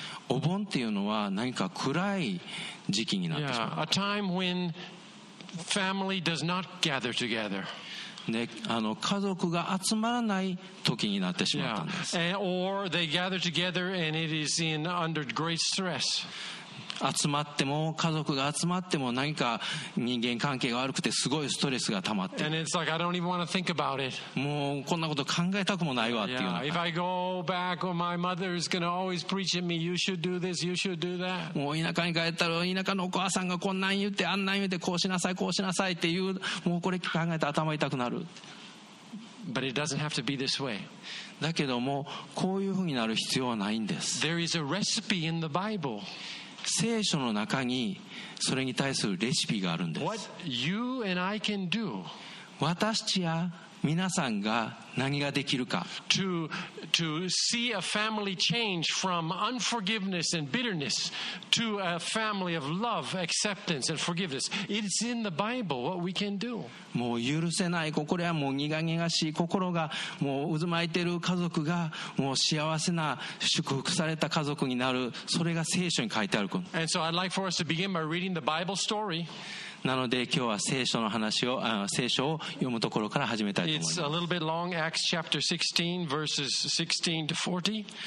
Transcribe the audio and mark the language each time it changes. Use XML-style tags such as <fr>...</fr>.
<ja>お盆っていうのは何か暗い時期になってしまう。</ja> <en>Yeah, a time when family does not gather together.</en> <ja>ね、家族が集まらない時になってしまったんです。</ja> <en>Yeah, and, or they gather together and it is in under great stress.</en> <ja>集まっても家族が集まっても何か人間関係が悪くてすごいストレスが溜まって、</ja> <en>And it's like I don't even want to think about it.</en> <ja>もうこんなこと考えたくもないわっていう。</ja> <en>Yeah, if I go back, or my mother is going to always preach at me, you should do this, you should do that.</en> <ja>もう田舎に帰ったら田舎のお母さんがこんなん言ってあんなん言ってこうしなさいこうしなさいっていう、もうこれ考えたら頭痛くなる。</ja> <en>But it doesn't have to be this way.</en> <ja>だけどもこういうふうになる必要はないんです。</ja> <en>There is a recipe in the Bible.</en> <ja>聖書の中にそれに対するレシピがあるんです。</ja> <en>What you and I can do.</en> <ja>私や皆さんが何ができるか。</ja> <en>To see a family change from unforgiveness and bitterness to a family of love, acceptance and forgiveness. It's in the Bible what we can do.</en> <ja>もう許せない心やもう苦々しい心がもう渦巻いている家族がもう幸せな祝福された家族になる。それが聖書に書いてある。</ja> <en>And so I'd like for us to begin by reading the Bible story.</en> <ja>なので今日は聖書の話を聖書を読むところから始めたいと思います。</ja> <en>It's a little bit long, Acts chapter 16, verses 16 to 40.</en>